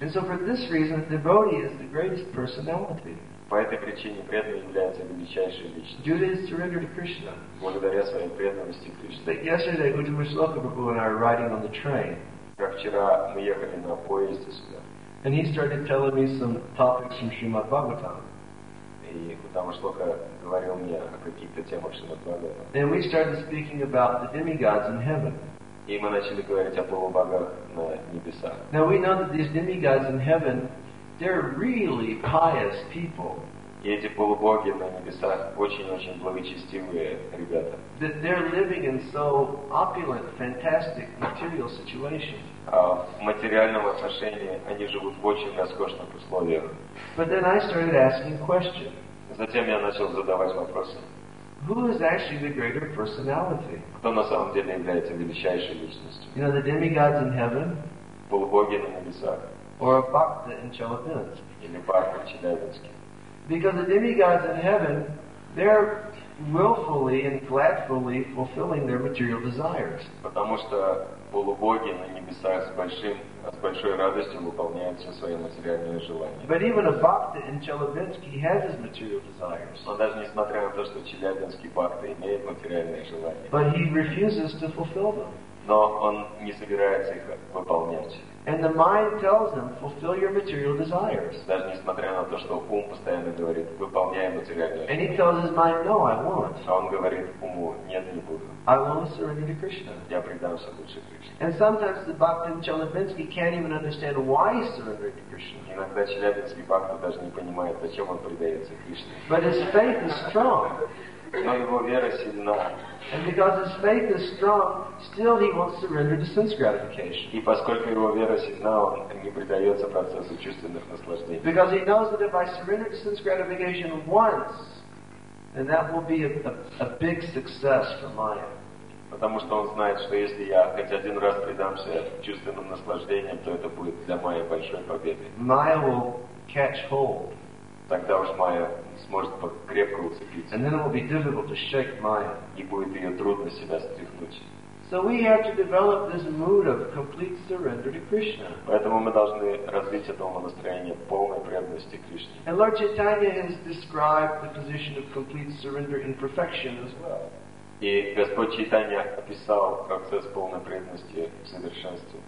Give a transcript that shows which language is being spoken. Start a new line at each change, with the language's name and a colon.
English: And so for this reason, the devotee is the greatest personality.
Russian: По этой причине преданный является величайшей личностью.
English: Due to his surrender to Krishna.
Russian: Благодаря своей преданности Кришне.
English: Like yesterday, Uddhava Shloka Prabhu and I were riding on the train.
Russian: Как вчера мы ехали на поезде сюда.
English: And he started telling me some topics from Srimad Bhagavatam.
Russian: И Uddhava Shloka говорил мне о каких-то темах Шримад Бхагаватам.
English: And we started speaking about the demigods in heaven.
Russian: И мы начали говорить о полубогах на небесах.
English: Now we know that these demigods in heaven, they're really pious people.
Russian: И эти полубоги на небесах очень-очень благочестивые ребята.
English: That they're living in so opulent, fantastic material situation.
Russian: В материальном отношении они живут в очень роскошных условиях.
English: But then I started asking questions.
Russian: Затем я начал задавать вопросы.
English: Who is actually the greater personality?
Russian: Кто на самом деле является величайшей личностью?
English: You know, the demigods in heaven?
Russian: Полубоги на небесах.
English: Or a bhakta in Chelyabinsk?
Russian: Или бхакта в Челябинске.
English: Because the demigods in heaven, they're willfully and gladfully fulfilling their material desires.
Russian: Потому что полубоги на небесах с большой радостью выполняют все свои материальные желания.
English: But even a bhakta in Chelyabinsk, he has his material desires.
Russian: Но даже несмотря на то, что челябинский бхакта имеет материальные желания.
English: But he refuses to fulfill them.
Russian: но он не собирается их выполнять.
English: And the mind tells him, fulfill your material desires.
Russian: Даже несмотря на то, что ум постоянно говорит, выполняй материальные.
English: And he tells his mind, no, I won't.
Russian: А он говорит уму, нет, не буду.
English: I want to surrender to Krishna.
Russian: Я предамся лучше Кришне.
English: And sometimes the Bhaktan Chelyabinsky can't even understand why he surrendered to Krishna.
Russian: Иногда Челябинский Бхакта даже не понимает, зачем он предается Кришне.
English: But his faith is strong.
Russian: Но его вера сильна.
English: And because his faith is strong, still he wants to surrender to sense gratification.
Russian: И поскольку его вера сильна, он не предается процессу чувственных наслаждений.
English: Because he knows that if I surrender to sense gratification once, then that will be a big success for Maya.
Russian: Потому что он знает, что если я хоть один раз предамся чувственным наслаждениям, то это будет для Майи большой победой.
English: Maya will catch hold.
Russian: Тогда уж Майя сможет крепко уцепиться.
English: And then it will be difficult to shake Maya.
Russian: И будет ее трудно себя стряхнуть.
English: So we have to develop this mood of complete surrender to Krishna.
Russian: Поэтому мы должны развить это настроение полной преданности Кришне.
English: And Lord Chaitanya has described the position of complete surrender in perfection as well.
Russian: И Господь Чайтанья описал процесс полной преданности в совершенстве.